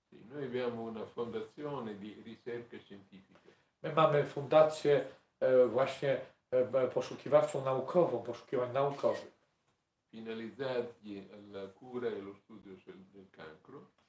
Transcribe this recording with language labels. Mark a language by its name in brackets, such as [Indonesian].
[Italian] Noi abbiamo una fondazione di ricerca scientifica. [Polish] My mamy fundację właśnie poszukiwawczą naukową, poszukiwań naukowych. [Italian] Finalizzati alla cura e lo studio del cancro.